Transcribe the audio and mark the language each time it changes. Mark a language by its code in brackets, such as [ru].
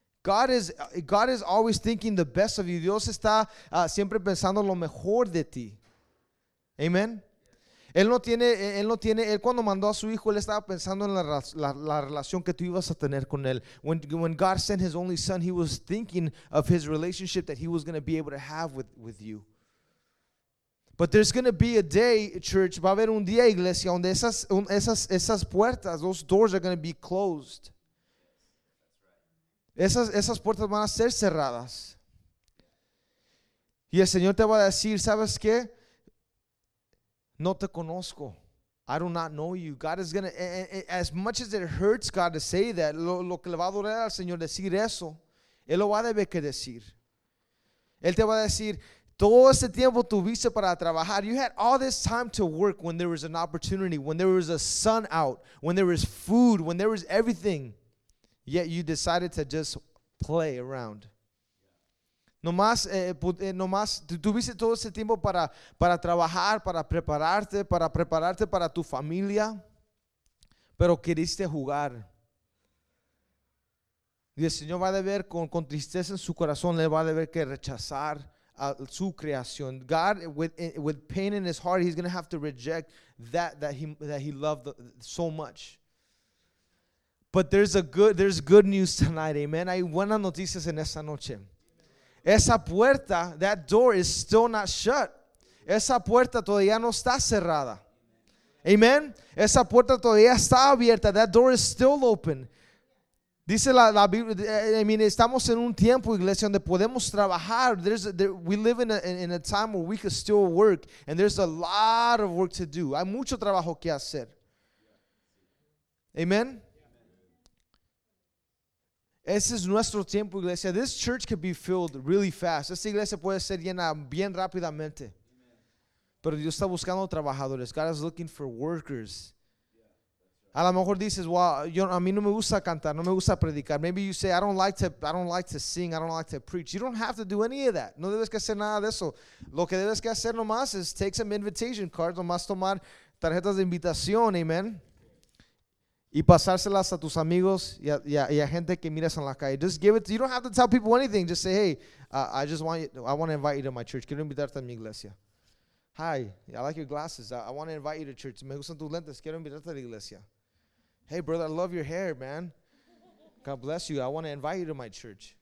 [en] God is always thinking the best of you. [es] Dios está siempre pensando lo mejor de ti. Amen. Él cuando mandó a su hijo, él estaba pensando en la relación que tú ibas a tener con él. [en] When God sent his only son, he was thinking of his relationship that he was going to be able to have with you. But there's going to be a day, church, [es] va a haber un día, iglesia, donde esas puertas, [en] those doors are going to be closed. [es] Esas puertas van a ser cerradas. Y el Señor te va a decir, ¿sabes qué? No te conozco. [en] I do not know you. God is going to, as much as it hurts God to say that, [es] lo que le va a doler al Señor decir eso, Él lo va a tener que decir. Él te va a decir, todo este tiempo tuviste para trabajar. [en] You had all this time to work when there was an opportunity, when there was a sun out, when there was food, when there was everything. Yet you decided to just play around. [es] Nomás tuviste todo ese tiempo para trabajar, para prepararte para tu familia, pero queriste jugar. Y el Señor va a deber con tristeza en su corazón, le va a deber que rechazar a su creación. [en] God, with pain in his heart, he's going to have to reject that he loved so much. But there's good news tonight, amen. [es] Hay buenas noticias en esta noche. Esa puerta, [en] that door is still not shut. [es] Esa puerta todavía no está cerrada. Amen. Esa puerta todavía está abierta. [en] That door is still open. [es] Dice la Biblia, [en] I mean, [es] estamos en un tiempo, iglesia, donde podemos trabajar. [en] We live in a time where we can still work. And there's a lot of work to do. [es] Hay mucho trabajo que hacer. Amen. Ese es nuestro tiempo, iglesia. [en] This church can be filled really fast. [es] Esta iglesia puede ser llena bien rápidamente. Pero Dios está buscando trabajadores. [en] God is looking for workers. [es] A lo mejor dices, a mí no me gusta cantar, no me gusta predicar. [en] Maybe you say, I don't like to sing, I don't like to preach. You don't have to do any of that. [es] No debes que hacer nada de eso. Lo que debes que hacer nomás es [en] take some invitation cards, [es] nomás tomar tarjetas de invitación, amen. Y pasárselas a tus amigos y a gente que miras en la calle. [en] Just give it. You don't have to tell people anything. Just say, hey, I want to invite you to my church. [es] Quiero invitarte a mi iglesia. [en] Hi, I like your glasses. I want to invite you to church. [es] Me gustan tus lentes. Quiero invitarte a la iglesia. [en] hey, brother, I love your hair, man. God bless you. I want to invite you to my church.